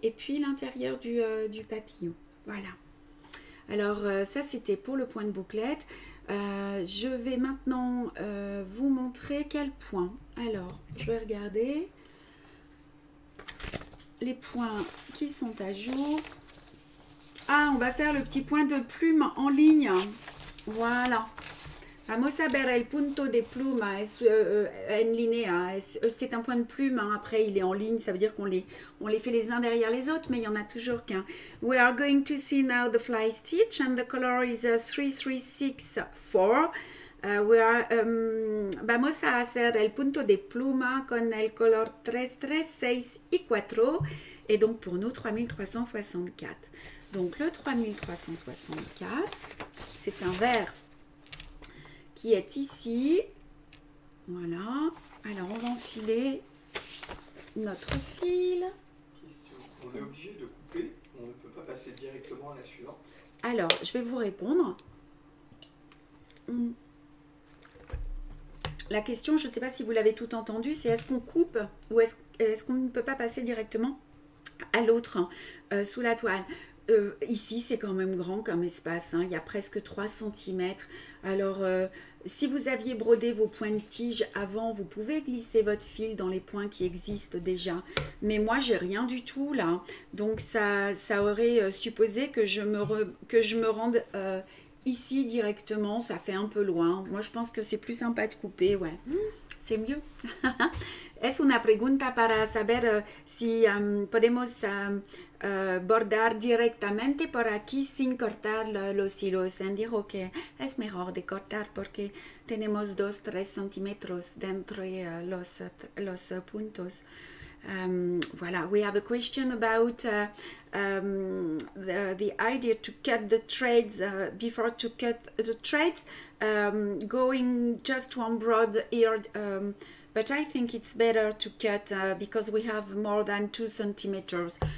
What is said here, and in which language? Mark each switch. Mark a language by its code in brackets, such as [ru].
[fr] Et puis, l'intérieur du papillon. Voilà. Alors, ça, c'était pour le point de bouclette. Je vais maintenant vous montrer quel point. Alors, je vais regarder les points qui sont à jour. Ah, on va faire le petit point de plume en ligne. Voilà. [es] Vamos a ver el punto de pluma, en línea. [fr] C'est un point de plume, hein. Après, il est en ligne, ça veut dire qu'on les fait les uns derrière les autres, mais il y en a toujours qu'un. [en] We are going to see now the fly stitch and the color is 3364. [es] Vamos a hacer el punto de pluma con el color 3364. [fr] Et donc, pour nous, 3364. Donc, le 3364, c'est un vert qui est ici. Voilà. Alors, on va enfiler notre fil. On est obligé de couper, on ne peut pas passer directement à la suivante. Alors, je vais vous répondre. La question, je ne sais pas si vous l'avez tout entendu, c'est est-ce qu'on coupe ou est-ce qu'on ne peut pas passer directement à l'autre sous la toile? Ici, c'est quand même grand comme espace, hein. Il y a presque 3 cm. Alors, si vous aviez brodé vos points de tige avant, vous pouvez glisser votre fil dans les points qui existent déjà. Mais moi, j'ai rien du tout là. Donc, ça aurait supposé que je me rende ici directement. Ça fait un peu loin. Moi, je pense que c'est plus sympa de couper. Ouais, c'est mieux. [es] Es una pregunta para saber si podemos bordar directamente por aquí sin cortar los hilos. Me dijo que es mejor de cortar porque tenemos 2-3 cm dentro los puntos. [en] Voilà, we have a question about the idea to cut the threads before to cut the threads, going just one broad here. But I think it's better to cut because we have more than 2 cm.